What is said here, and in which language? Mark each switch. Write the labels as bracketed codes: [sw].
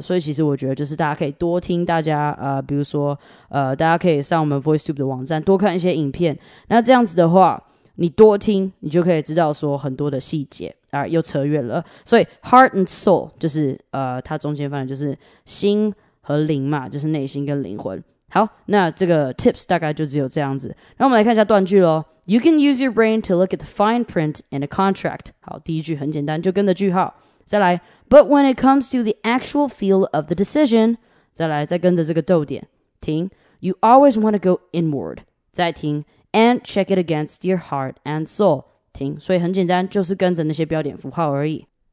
[zh] 所以其实我觉得就是大家可以多听大家比如说大家可以上我们 VoiceTube 的网站多看一些影片。那这样子的话。你多听你就可以知道说很多的细节啊，又扯远了。所以 heart and soul 就是它中间翻译就是心和灵嘛，就是内心跟灵魂。好，那这个 tips 大概就只有这样子。那我们来看一下断句咯。 [en] You can use your brain to look at the fine print in a contract. [zh] 好，第一句很简单，就跟着句号。 [en] 再来， But when it comes to the actual feel of the decision, [zh] 再来，再跟着这个逗点，停。 [en] You always want to go inward. [zh] 再停， [en] And check it against your heart and soul. 停。 [zh] 所以很简单，就是跟着那些标点符号而已。